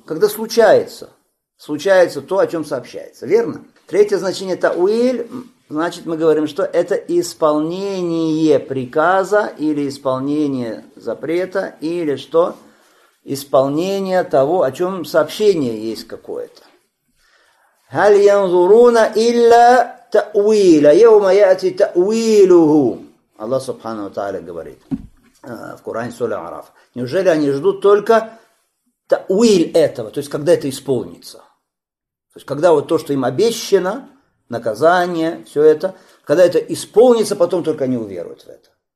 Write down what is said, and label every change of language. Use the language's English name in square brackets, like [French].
[Russian] Когда случается. Случается то, о чем сообщается. Верно? Третье значение тауиль, значит, мы говорим, что это исполнение приказа или исполнение запрета, или что? исполнение того, о чем сообщение есть какое-то. [Arabic] هل ينظرون إلا تأويلا يوم يأتي تأويله. [Russian] Аллах Субхану Тааля говорит в Коране Сура Араф. Неужели они ждут только тауиль этого, то есть когда это исполнится? То есть когда вот то, что им обещано, наказание, все это, когда это исполнится, потом только они уверуют в это.